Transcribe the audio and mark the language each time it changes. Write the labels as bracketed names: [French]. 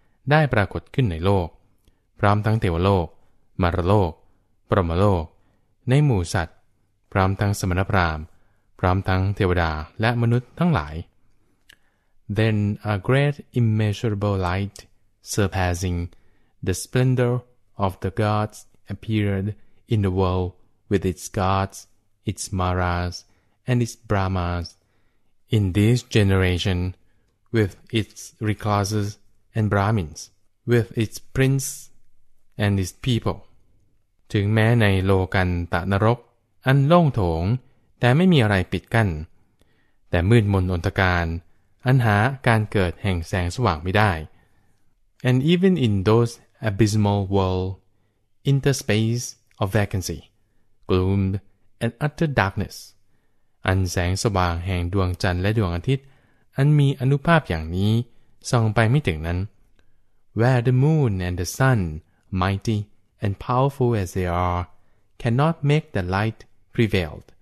[Thai] ได้ปรากฏขึ้นในโลกพร้อมทั้งเทวโลกมารโลกพรหมโลกในหมู่สัตว์พร้อมทั้งสมณพราหมณ์พร้อมทั้งเทวดาและมนุษย์ทั้งหลาย [English] Then a great immeasurable light surpassing the splendor of the gods appeared in the world with its gods, its maras, and its brahmas. In this generation, with its rikkhasas and brahmins, with its prince and its people. [Thai] ถึงแม้ในโลกันตนรกอันโล่งโถงแต่ไม่มีอะไรปิดกั้นแต่มืดมนอนธการอันหาการเกิดแห่งแสงสว่างไม่ได้ [English] And even in those abysmal world, interspace of vacancy, gloom and utter darkness, [Thai] อันแสงสว่างแห่งดวงจันทร์และดวงอาทิตย์อันมีอนุภาพอย่างนี้ส่องไปไม่ถึงนั้น [English] Where the moon and the sun, mighty and powerful as they are, cannot make the light prevail.